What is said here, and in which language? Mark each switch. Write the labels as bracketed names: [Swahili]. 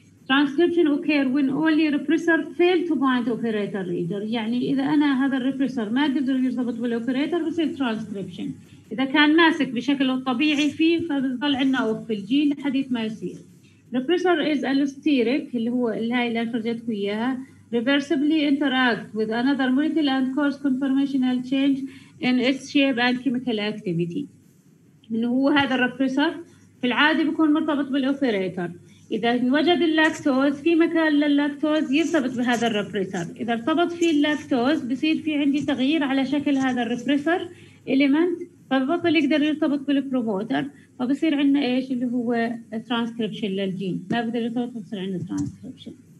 [English] Transcription occur when only repressor fail to bind operator reader. [Arabic] يعني إذا أنا هذا الريبريسر ما قدر يرتبط بالأوبريتر بصير transcription. إذا كان ماسك بشكل طبيعي فيه فبيظل عنا أوف في الجين حديث ما يصير. [English] Repressor is allosteric [Arabic] اللي هو الهاي اللي فرجتكم إياها. [English] Reversibly interact with another molecule and cause conformational change in its shape and chemical activity. [Arabic] إنه هو هذا الريبريسر في العادي بيكون مرتبط بالأوبريتر. إذا وجد اللاكتوز في مكان لللاكتوز يرتبط بهذا الريبريسر. إذا ارتبط فيه اللاكتوز بيصير في عندي تغيير على شكل هذا الريبريسر إليمنت، فبطل يقدر يرتبط بالبروموتر، فبصير عندنا إيش اللي هو ترانسكريبشن للجين، ما بقدر يرتبط بصير عندنا ترانسكريبشن.